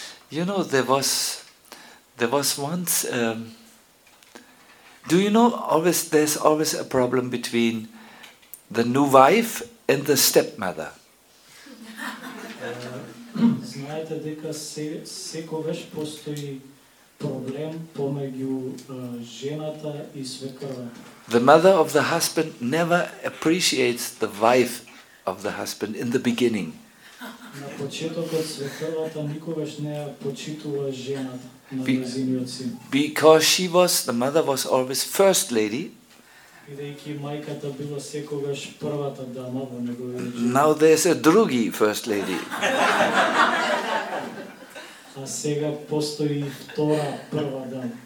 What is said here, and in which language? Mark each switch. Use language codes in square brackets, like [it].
[en] You know, there was once there's always a problem between the new wife and the stepmother. [mk] Знаете дека секогаш постои проблем помеѓу жената и свекрва. [en] The mother of the husband never appreciates the wife of the husband in the beginning. [mk] На почетокот свекрвата никогаш не ја почитува жената на нејзиниот син. [en] Because she was, the mother was always first lady. [mk] Бидејќи мајката била секогаш првата дама во неговиот живот. [en] Now there's a [mk] drugi [en] first lady. [mk] А сега постои втора прва дама.